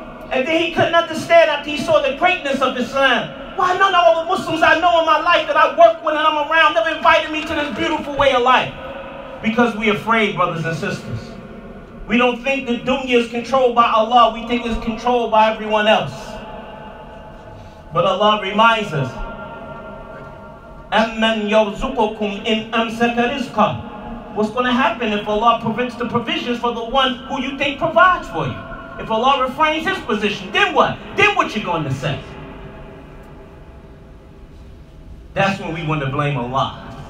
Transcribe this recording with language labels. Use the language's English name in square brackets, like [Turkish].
[English] And then he couldn't understand after he saw the greatness of Islam. Why none of all the Muslims I know in my life that I work with and I'm around never invited me to this beautiful way of life? Because we're afraid, brothers and sisters. We don't think the dunya is controlled by Allah. We think it's controlled by everyone else. But Allah reminds us, [Arabic] أَمَّنْ يَرْزُقُكُمْ إِنْ أَمْسَكَ رِزْقًا. [English] What's going to happen if Allah prevents the provisions for the one who you think provides for you? If Allah refrains his position, then what? Then what you going to say? That's when we want to blame Allah.